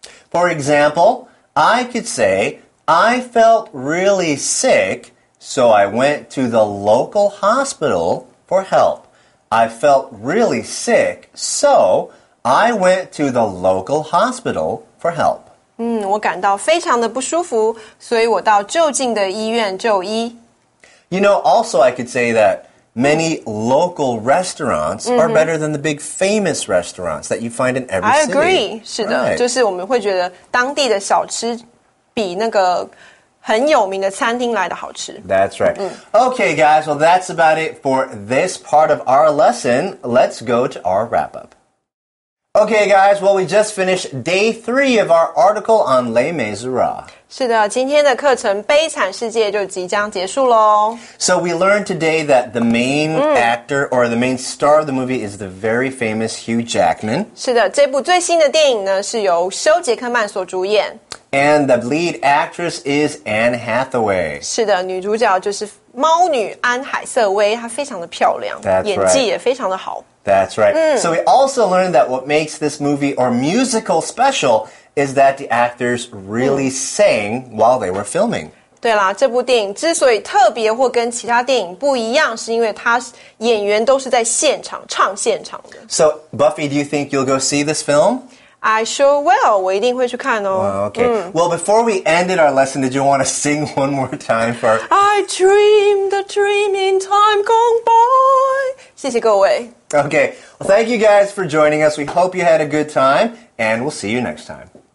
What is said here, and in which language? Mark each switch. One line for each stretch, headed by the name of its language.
English: For example, I could say, I felt really sick, so I went to the local hospital for help. I felt really sick, so I went to the local hospital for help.
Chinese: 我感到非常的不舒服，所以我到就近的医院就医。
English: You know, also I could say that many local restaurants、mm-hmm. are better than the big famous restaurants that you find in every city. I agree.
Chinese: 是的、right. 就是我们会觉得当地的小吃比那个很有名的餐厅来的好吃。
English: That's right.、Mm-hmm. Okay, guys, well, that's about it for this part of our lesson. Let's go to our wrap-up. Okay, guys, well, we just finished day 3 of our article on Les Miserables.
Chinese: 是的，今天的课程《悲惨世界》就即将结束咯。
English: So we learned today that the main、actor or the main star of the movie is the very famous Hugh Jackman.
Chinese: 是的，这部最新的电影呢是由休·杰克曼所主演。
English: And the lead actress is Anne Hathaway.
Chinese: 是的，女主角就是猫女安海瑟薇，她非常的漂亮、
English: That's、
Chinese: 演技也非常的好。
English: Right. That's right.、So we also learned that what makes this movie or musical specialis that the actors really sang while they were filming.
Chinese: 对啦，这部电影之所以特别或跟其他电影不一样，是因为它演员都是在现场唱现场的。
English: So, Buffy, do you think you'll go see this film? I sure will.
Chinese: 我一定会去看哦。
English: Well, okay.、Well, before we ended our lesson, did you want to sing one more time for... I dreamed a dream in time gone by.
Chinese: 谢谢各位。
English: Okay. Well, thank you guys for joining us. We hope you had a good time, and we'll see you next time.